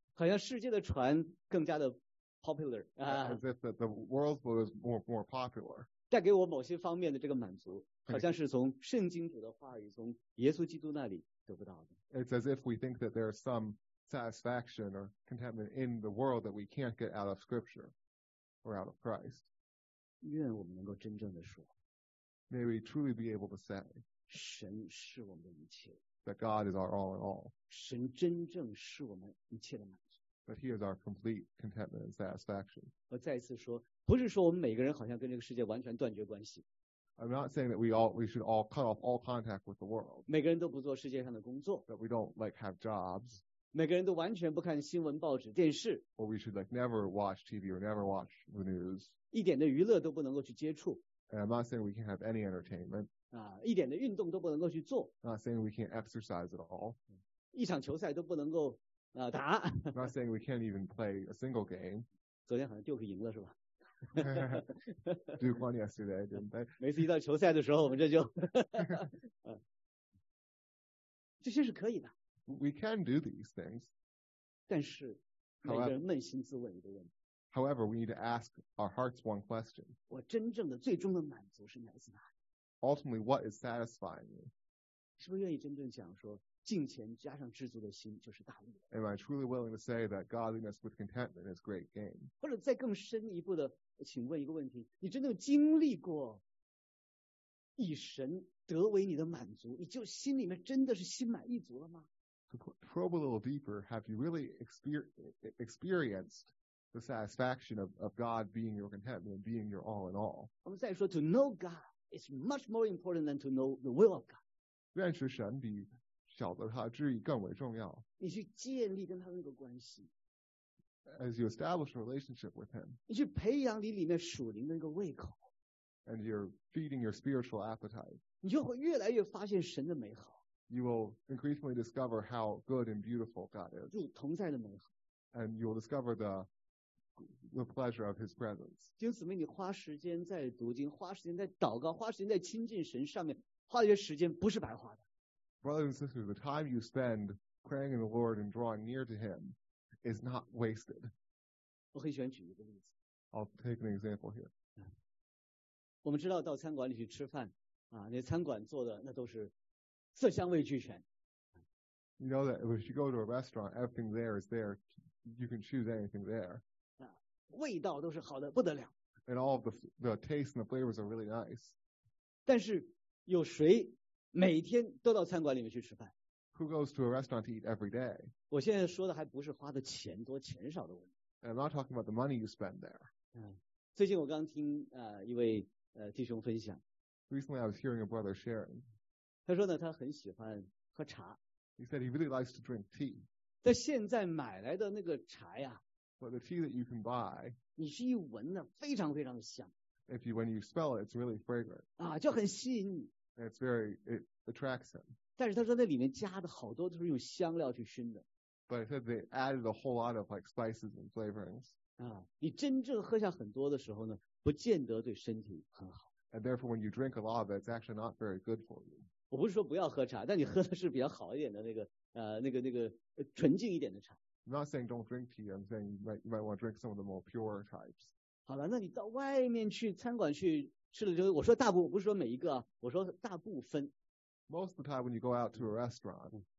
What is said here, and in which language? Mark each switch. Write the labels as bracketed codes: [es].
[zh] 好像世界的船更加的 popular. [en] As if the world's boat is more popular. [zh] 带给我某些方面的这个满足。好像是从圣经主的话语，从耶稣基督那里得不到的。 [en] It's as if we think that there is some satisfaction or contentment in the world that we can't get out of Scripture or out of Christ. [zh] 愿我们能够真正的说。 [en] May we truly be able to say. [zh] 神是我们的一切。 [en] That God is our all in all. [zh] 神真正是我们一切的满足。 [en] But He is our complete contentment and satisfaction. [zh] 我再一次说，不是说我们每个人好像跟这个世界完全断绝关系。 [en] I'm not saying that we should all cut off all contact with the world. [zh] 每个人都不做世界上的工作。 [en] That we don't like have jobs. [zh] 每个人都完全不看新闻、报纸、电视。 [en] Or we should like never watch TV or never watch the news. [zh] 一点的娱乐都不能够去接触。 [en] And I'm not saying we can't have any entertainment. [zh] 啊，一点的运动都不能够去做。 [en] I'm not saying we can't exercise at all. [zh] 一场球赛都不能够啊打。 [en] I'm not saying we can't even play a single game. [zh] 昨天好像Duke赢了是吧？ [en] Duke won yesterday, didn't they? [zh] 每次一到球赛的时候，我们这就，这些是可以的。 [en] We can do these things. [zh] 但是，每个人扪心自问一个问题。 [en] However, we need to ask our hearts one question. [zh] 我真正的、最终的满足是来自哪里？ [en] Ultimately, what is satisfying me? [zh] 是不是愿意真正讲说，敬虔加上知足的心就是大利？ [en] Am I truly willing to say that godliness with contentment is great gain? [zh] 或者再更深一步的？请问一个问题，你真的经历过以神得为你的满足，你就心里面真的是心满意足了吗？ [en] To probe a little deeper, have you really experienced the satisfaction of God being your contentment and being your all in all? [zh] 我们再说 [en] to know God is much more important than to know the will of God. [zh] 认识神比晓得他旨意更为重要。你去建立跟他那个关系。 [en] As you establish a relationship with him, [zh] 你去培养你里面属灵的那个胃口 [en] ，and you're feeding your spiritual appetite, [zh] 你就会越来越发现神的美好 [en] ，you will increasingly discover how good and beautiful God is, [zh] 主同在的美好 [en] ，and you will discover the pleasure of His presence. [zh] 弟兄姊妹，你花时间在读经，花时间在祷告，花时间在亲近神上面，花这些时间不是白花的。 [en] Brothers and sisters, the time you spend praying in the Lord and drawing near to Him. Is not wasted. [zh] 我很喜欢举一个例子。 [en] I'll take an example here. [zh] 我们知道到餐馆里去吃饭，啊，那餐馆做的那都是色香味俱全。 [en] You know that if you go to a restaurant, everything there is there. You can choose anything there. [zh] 啊，味道都是好的不得了。 [en] And all the taste and the flavors are really nice. [zh] 但是有谁每天都到餐馆里面去吃饭？ [en] Who goes to a restaurant to eat every day? [zh] 我现在说的还不是花的钱多钱少的问题。 [en] I'm not talking about the money you spend there. [zh] 最近我刚听一位弟兄分享。 [en] Recently, I was hearing a brother sharing. [zh] 他说呢，他很喜欢喝茶。 [en] He said he really likes to drink tea. [zh] 但现在买来的那个茶呀 [en] ，But the tea that you can buy, [zh] 你是一闻呢，非常非常香。 [en] If you when you smell it, it's really fragrant. [zh] 啊，就很吸引你。 [en] It's very it attracts him. [zh] 但是他说那里面加的好多都是用香料去熏的。 [en] But I said they added a whole lot of like spices and flavorings. [zh] 啊，你真正喝下很多的时候呢，不见得对身体很好。 [en] And therefore, when you drink a lot of it, it's actually not very good for you. [zh] 我不是说不要喝茶，但你喝的是比较好一点的那个那个纯净一点的茶。 [en] I'm not saying don't drink tea. I'm saying you might want to drink some of the more pure types. [zh] 好了，那你到外面去餐馆去吃了之后，我说大部分，我不是说每一个，我说大部分。 [en] Most of the time when you go out to a restaurant,